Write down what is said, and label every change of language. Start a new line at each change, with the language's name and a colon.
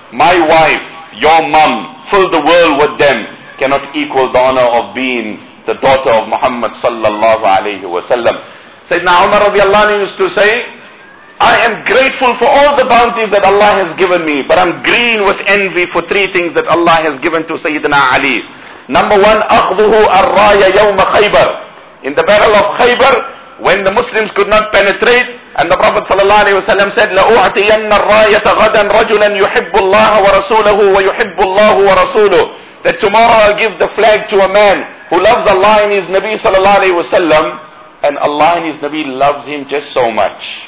English: My wife, your mum, fill the world with them, cannot equal the honor of being the daughter of Muhammad sallallahu alayhi wa sallam." Sayyidina Umar radiallahu anhu used to say, "I am grateful for all the bounties that Allah has given me, but I'm green with envy for three things that Allah has given to Sayyidina Ali. Number one,
Arabic: أَخْذُهُ الرَّايَ يَوْمَ خَيْبَرَ."
English: In the battle of Khaybar, when the Muslims could not penetrate, and the Prophet sallallahu alayhi wa sallam said,
Arabic: لَأُعْتِيَنَّ الرَّايَةَ غَدًا رَجُلًا يُحِبُّ اللَّهَ وَرَسُولَهُ وَيُحِبُّ اللَّهُ وَرَسُولُهُ.
English: That tomorrow I'll give the flag to a man who loves Allah and his Nabi sallallahu alayhi wa sallam, and Allah and his Nabi loves him just so much.